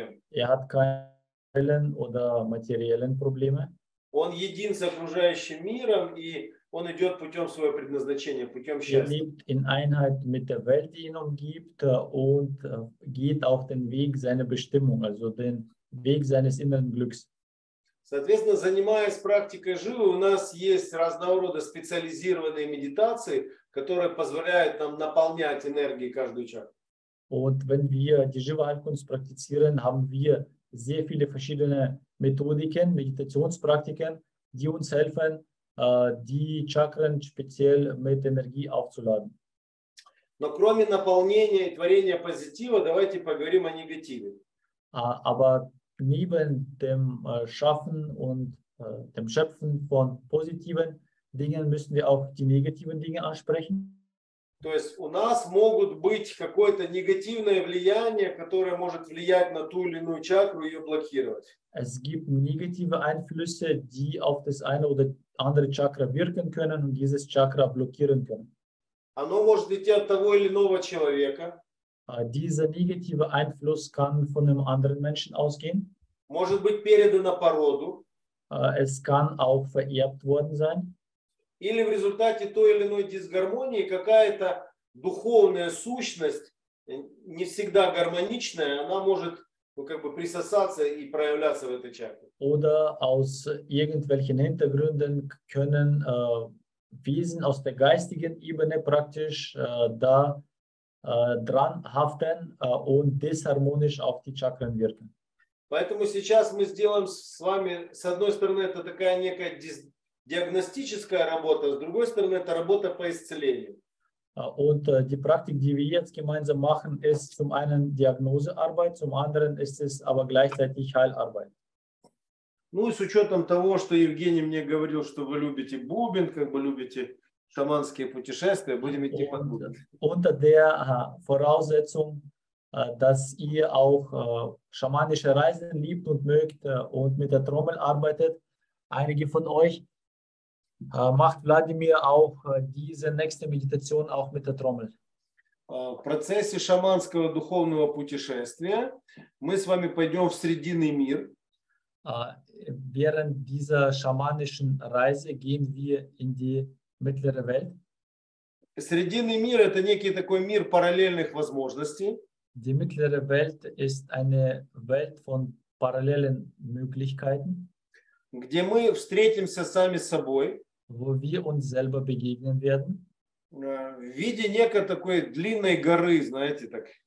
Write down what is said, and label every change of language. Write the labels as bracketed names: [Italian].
[German] Er hat kein oder materiellen Probleme. [Russian] Он един с окружающим миром и он идет путем своего предназначения, путем счастья. [German] Er lebt in Einheit mit der Welt, die ihn umgibt und geht auf den Weg seiner Bestimmung, also den Weg seines inneren Glücks. [Russian] Соответственно, занимаясь практикой живы, у нас есть разного рода специализированные медитации, которые позволяют нам наполнять энергией каждую чакру. [German] Und wenn wir die Jiva-Heilkunst praktizieren, haben wir sehr viele verschiedene Methodiken, Meditationspraktiken, die uns helfen, die Chakren speziell mit Energie aufzuladen. [Russian] Но кроме наполнения и творения позитива, давайте поговорим о негативе. [German] Aber neben dem Schaffen und dem Schöpfen von positiven Dingen müssen wir auch die negativen Dinge ansprechen. [Russian] То есть у нас могут быть какое-то негативное влияние, которое может влиять на ту или иную чакру и ее блокировать. [German] Es gibt negative Einflüsse, die auf das eine oder andere Chakra wirken können und dieses Chakra blockieren können. [Russian] Оно может идти от того или иного человека. [German] Dieser negative Einfluss kann von einem anderen Menschen ausgehen. [Russian] Может быть передано по роду. [German] Es kann auch vererbt worden sein. [Russian] Или в результате той или иной дисгармонии какая-то духовная сущность, не всегда гармоничная, она может как бы присосаться и проявляться в этой чакре. [German] Oder aus irgendwelchen Hintergründen können Wesen aus der geistigen Ebene praktisch da dran haften und disharmonisch auf die Chakren wirken. [Russian] Поэтому сейчас мы сделаем с вами, с одной стороны, это такая некая диагностическая работа, с другой стороны, это работа по исцелению. [German] Und die Praktik, die wir jetzt gemeinsam machen, ist zum einen Diagnosearbeit, zum anderen ist es aber gleichzeitig Heilarbeit. [Russian] Ну и с учетом того, что Евгений мне говорил, что вы любите бубен, как бы любите шаманские путешествия, будем идти под бубен. [German] Unter der Voraussetzung, dass ihr auch schamanische Reisen liebt und mögt und mit der Trommel arbeitet, einige von euch, macht Wladimir auch diese nächste Meditation auch mit der Trommel. [Russian] В процессе шаманского духовного путешествия мы с вами пойдем в Срединный мир. [German] Während dieser schamanischen Reise gehen wir in die mittlere Welt. [Russian] Срединный мир – это некий такой мир параллельных возможностей. [German] Die mittlere Welt ist eine Welt von parallelen Möglichkeiten. [Russian] Где мы встретимся сами с собой. [German] Wo wir uns selber begegnen werden. [Russian] В виде некой такой длинной горы, знаете так.